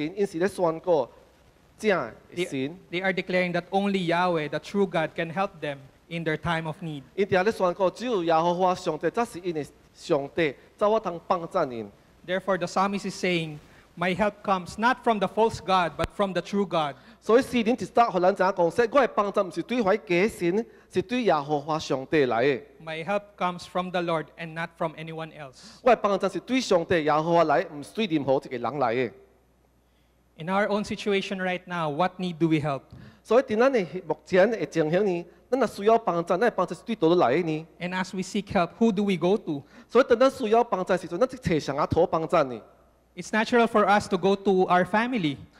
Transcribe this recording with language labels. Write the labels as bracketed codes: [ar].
[nan] 因唔是底下咧宣告假神，因是咧宣告真神。 [en] They are declaring that only Yahweh, the true God, can help them in their time of need. [nan] 因底下咧宣告只有耶和华上帝才是因的上帝，才有法通帮助因。 [en] Therefore, the psalmist is saying, "My help comes not from the false God, but from the true God." [nan] 所以诗人一直讲，我的帮助唔是对怀假神，是对耶和华上帝来的。 [en] My help comes from the Lord and not from anyone else. [nan] 我的帮助是对上帝耶和华来，唔是对任何一个人来的。 [en] In our own situation right now, what need do we help? [nan] 所以在咱的目前的情形呢？咱若需要帮助，咱的帮助是对倒落来的呢？ [en] And as we seek help, who do we go to? [nan] 所以当咱需要帮助的时阵，咱去找谁啊讨帮助呢？ [en] It's natural for us to go to our family.